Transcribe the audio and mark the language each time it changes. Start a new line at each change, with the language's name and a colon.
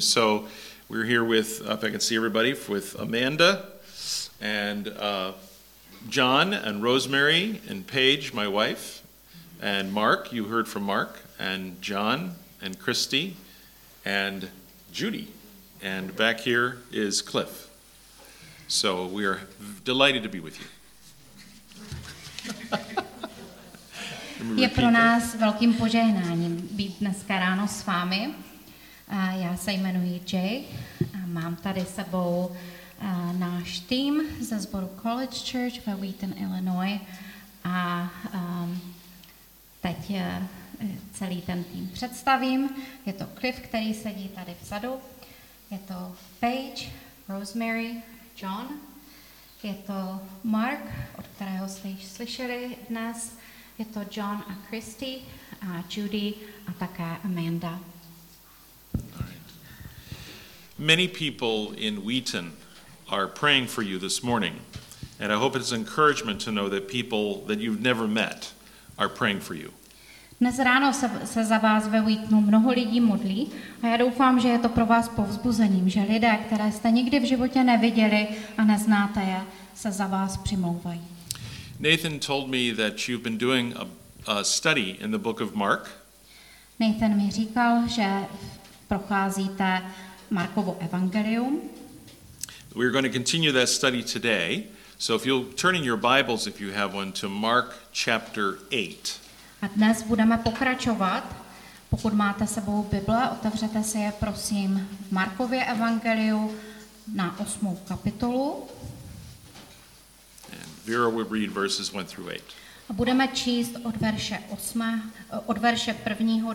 English: So we're here with, if I can see everybody, with Amanda and John and Rosemary and Paige, my wife, and Mark. You heard from Mark and John and Christy and Judy, and back here is Cliff. So we are delighted to be with you.
Czech: Je pro nás velkým požehnáním být dneska ráno s vámi. Já se jmenuji Jay a mám tady s sebou náš tým ze sboru College Church ve Wheaton, Illinois. A teď celý ten tým představím. Je to Cliff, který sedí tady vzadu. Je to Paige, Rosemary, John, je to Mark, od kterého jste již slyšeli dnes, je to John a Christy a Judy a také Amanda.
English: Many people in Wheaton are praying for you this morning, and I hope it's encouragement to know that people that you've never met are praying for you.
Czech: Dnes ráno se za vás ve Wheatonu mnoho lidí modlí a já doufám, že je to pro vás povzbuzením, že lidé, které jste nikdy v životě neviděli a neznáte je, se za vás přimlouvají.
English: Nathan told me that you've been doing a study in the book of Mark.
Czech: Nathan mi říkal, že procházíte Markovo evangelium.
English: We're going to continue that study today, so if you'll turn in your Bibles, if you have one, to Mark chapter 8.
Czech: A dnes budeme pokračovat. Pokud máte sebou Bible, otevřete si je prosím v Markově evangeliu na 8. kapitolu.
English: And Vera will read verses 1 through 8.
Czech: A budeme číst od verše 8, od verše 1.